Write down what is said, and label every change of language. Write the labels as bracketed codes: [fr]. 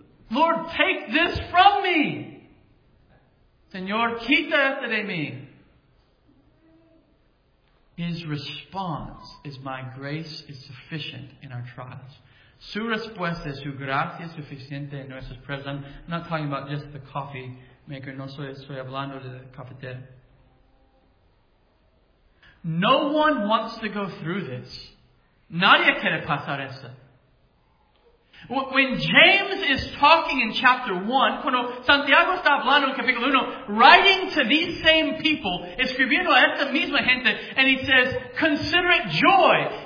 [en] Lord, take this from me. [es] Señor, quita esto de mí. [en] His response is, my grace is sufficient in our trials. [es] Su respuesta es, su gracia es suficiente en nuestras pruebas. [en] I'm not talking about just the coffee maker. [es] No estoy hablando de la cafetera. [en] No one wants to go through this. [es] Nadie quiere pasar esto. [en] When James is talking in chapter 1, [es] cuando Santiago está hablando en capítulo 1, [en] writing to these same people, [es] escribiendo a esta misma gente, [en] and he says, consider it joy.